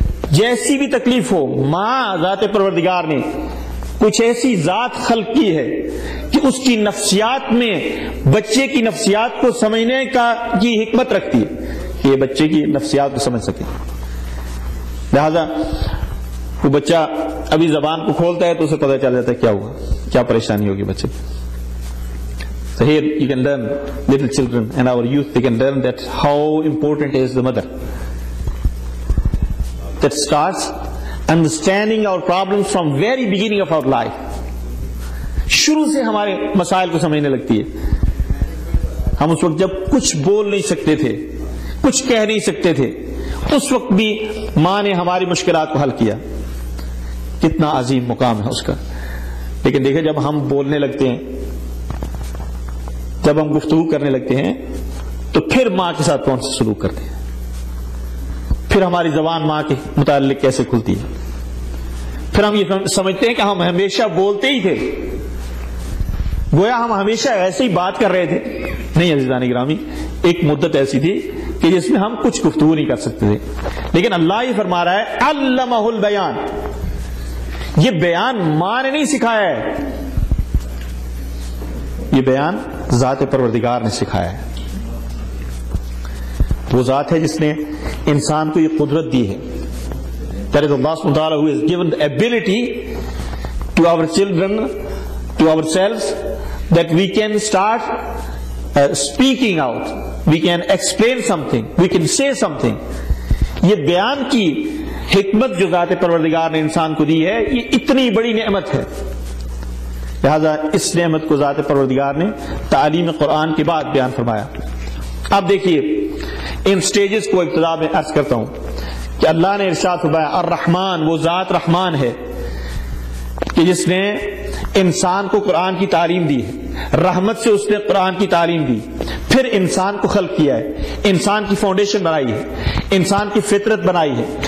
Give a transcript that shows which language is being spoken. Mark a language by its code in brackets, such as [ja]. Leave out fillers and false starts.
[ur] جیسی بھی تکلیف ہو، ماں ذات پروردگار نے کچھ ایسی ذات خلق کی ہے کہ اس کی نفسیات میں بچے کی نفسیات کو سمجھنے کا کی حکمت رکھتی ہے کہ یہ بچے کی نفسیات کو سمجھ سکے. لہذا وہ بچہ ابھی زبان کو کھولتا ہے تو اسے پتہ چل جاتا ہے کیا ہوا، کیا پریشانی ہوگی بچے کی. [en] So here you can learn little children and our youth, they can learn that how important is the mother that starts understanding our problems from very beginning of our life. [ur] شروع سے ہمارے مسائل کو سمجھنے لگتی ہے. ہم اس وقت جب کچھ بول نہیں سکتے تھے، کچھ کہہ نہیں سکتے تھے، اس وقت بھی ماں نے ہماری مشکلات کو حل کیا. کتنا عظیم مقام ہے اس کا. لیکن دیکھیں، جب ہم بولنے لگتے ہیں، جب ہم گفتگو کرنے لگتے ہیں، تو پھر ماں کے ساتھ کون سا سلوک کرتے ہیں، پھر ہماری زبان ماں کے متعلق کیسے کھلتی ہے، پھر ہم یہ سمجھتے ہیں کہ ہم ہمیشہ بولتے ہی تھے، گویا ہم ہمیشہ ایسے ہی بات کر رہے تھے. نہیں عزیزان گرامی، ایک مدت ایسی تھی کہ جس میں ہم کچھ گفتگو نہیں کر سکتے تھے، لیکن اللہ یہ فرما رہا ہے علمہ البیان. یہ بیان ماں نے نہیں سکھایا ہے، یہ بیان ذات پروردگار نے سکھایا ہے. وہ ذات ہے جس نے انسان کو یہ قدرت دی ہے. [en] That is Allah سبحانہ وتعالیٰ who has given the ability to our children, to ourselves, that we can start speaking out, we can explain something, we can say something. [ur] یہ بیان کی حکمت جو ذات پروردگار نے انسان کو دی ہے، یہ اتنی بڑی نعمت ہے. لہذا اس نعمت کو ذات پروردگار نے تعلیم قرآن کے بعد بیان فرمایا. اب دیکھیے ان سٹیجز کو ابتدا میں عرض کرتا ہوں کہ اللہ نے ارشاد فرمایا الرحمن، وہ ذات رحمان ہے کہ جس نے انسان کو قرآن کی تعلیم دی ہے، رحمت سے اس نے قرآن کی تعلیم دی، پھر انسان کو خلق کیا ہے، انسان کی فاؤنڈیشن بنائی ہے، انسان کی فطرت بنائی ہے.